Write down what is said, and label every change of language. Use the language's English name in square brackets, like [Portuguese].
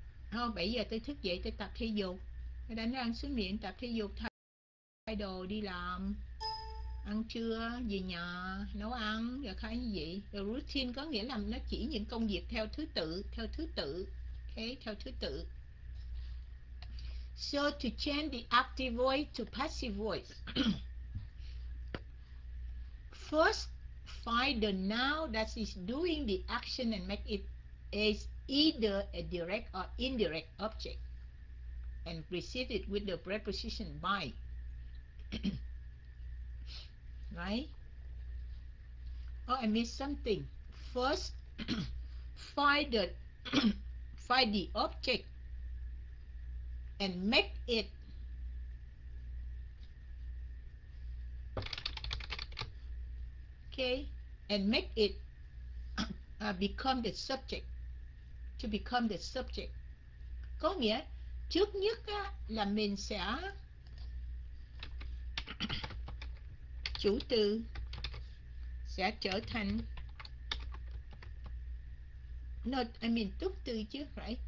[Vietnamese] Không, 7 giờ tôi thức dậy, tôi tập thể dục. Tôi đánh răng xuống miệng, tập thể dục, thay đồ đi làm, ăn trưa, về nhà, nấu ăn, rồi khá như vậy. The routine có nghĩa là nó chỉ những công việc theo thứ tự, theo thứ tự. Okay, theo thứ tự. [English] So to change the active voice to passive voice. First, find the noun that is doing the action and make it is either a direct or indirect object and precede it with the preposition by. Right? Oh, I missed something. First, find the object and make it okay, and make it become the subject. To become the subject. [Vietnamese] Có nghĩa trước nhất á, là mình sẽ chủ từ sẽ trở thành not, I mean tục từ chứ, right?